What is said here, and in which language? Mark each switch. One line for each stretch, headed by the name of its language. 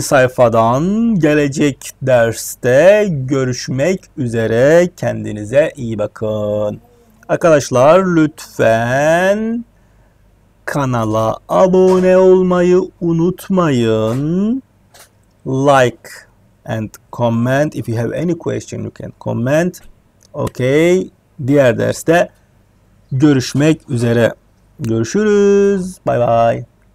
Turkish: sayfadan gelecek derste görüşmek üzere. Kendinize iyi bakın. Arkadaşlar lütfen kanala abone olmayı unutmayın.
English: Like and comment. If you have any question you can comment. Okay.
Turkish: Diğer derste görüşmek üzere. Görüşürüz. Bye bye.